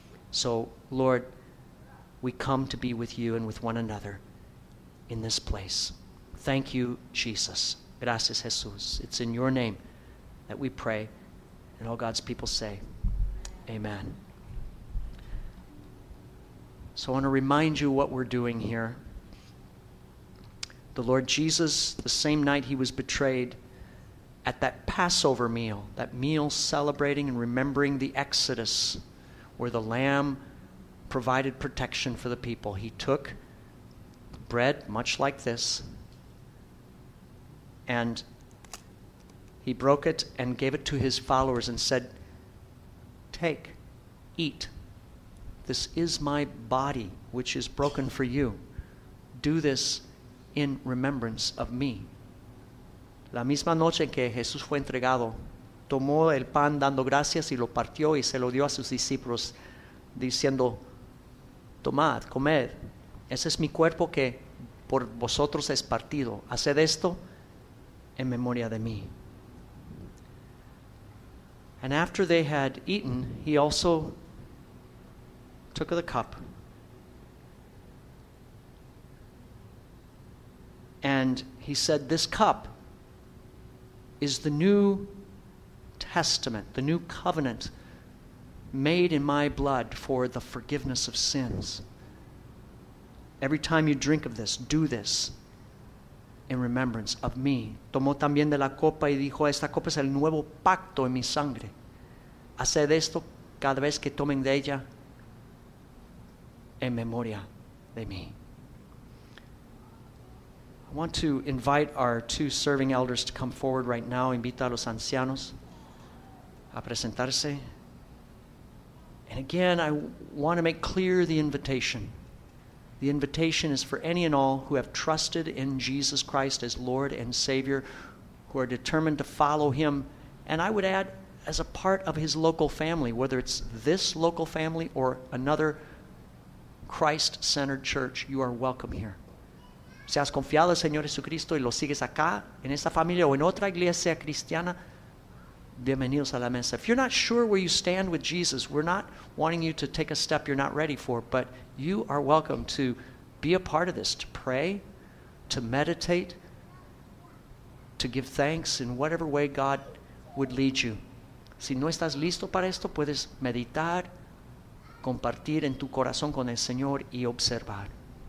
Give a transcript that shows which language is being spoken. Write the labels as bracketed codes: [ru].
[en] So, Lord, we come to be with you and with one another in this place. Thank you, Jesus. [es] Gracias, Jesús. [en] It's in your name that we pray, and all God's people say, amen. So I want to remind you what we're doing here. The Lord Jesus, the same night he was betrayed, at that Passover meal, that meal celebrating and remembering the Exodus, where the lamb provided protection for the people, he took bread, much like this, and he broke it and gave it to his followers and said, take, eat. This is my body, which is broken for you. Do this in remembrance of me. [es] La misma noche en que Jesús fue entregado, tomó el pan dando gracias y lo partió y se lo dio a sus discípulos diciendo, tomad, comed, ese es mi cuerpo que por vosotros es partido. Haced esto en memoria de mí. [en] And after they had eaten, he also took the cup and he said, this cup is the new testament, the new covenant made in my blood for the forgiveness of sins. Every time you drink of this, do this in remembrance of me. [es] Tomó también de la copa y dijo, esta copa es el nuevo pacto en mi sangre. Haced esto cada vez que tomen de ella en memoria de mí. [en] I want to invite our two serving elders to come forward right now. [es] Invita a los ancianos a presentarse. [en] And again, I want to make clear the invitation. The invitation is for any and all who have trusted in Jesus Christ as Lord and Savior, who are determined to follow him. And I would add, as a part of his local family, whether it's this local family or another Christ-centered church, you are welcome here. [es] Si has confiado en Señor Jesucristo y lo sigues acá, en esta familia o en otra iglesia cristiana, bienvenidos a la mesa. [en] If you're not sure where you stand with Jesus, we're not wanting you to take a step you're not ready for, but you are welcome to be a part of this, to pray, to meditate, to give thanks in whatever way God would lead you. [es] Si no estás listo para esto, puedes meditar, compartir en tu corazón con el Señor y observar.